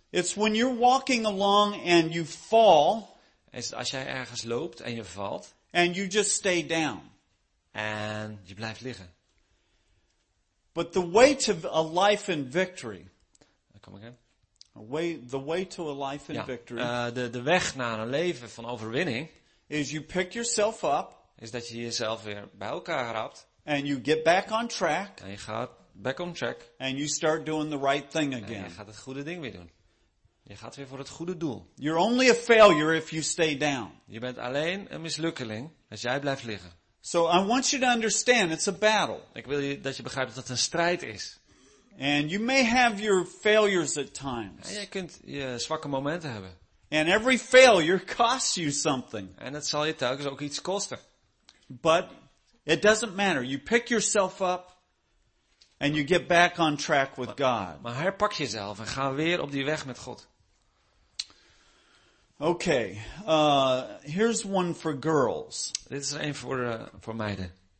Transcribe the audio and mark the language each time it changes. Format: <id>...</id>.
<en>It's when you're walking along and you fall.</en> <nl>Is als jij ergens loopt en je valt.</nl> <en>And you just stay down.</en> <nl>En je blijft liggen.</nl> <en>But the way to a life in victory. Come again. The way to a life in victory.</en> <nl>De weg naar een leven van overwinning.</nl> <en>Is you pick yourself up.</en> <nl>Is dat je jezelf weer bij elkaar raapt.</nl> <en>And you get back on track.</en> <nl>En je gaat</nl> <en>back on track. And you start doing the right thing again.</en> <nl>En je gaat het goede ding weer doen. Je gaat weer voor het goede doel.</nl> <en>You're only a failure if you stay down.</en> <nl>Je bent alleen een mislukkeling als jij blijft liggen.</nl> <en>So I want you to understand it's a battle.</en> <nl>Ik wil dat je begrijpt dat het een strijd is.</nl> <en>And you may have your failures at times.</en> <nl>En jij kunt je zwakke momenten hebben.</nl> <en>And every failure costs you something.</en> <nl>En het zal je telkens ook iets kosten.</nl> <en>But it doesn't matter. You pick yourself up and you get back on track with God.</en> <nl>Maar herpak jezelf en ga weer op die weg met God.</nl> <en>Okay, here's one for girls.</en> <nl>Dit is er een voor meiden.</nl>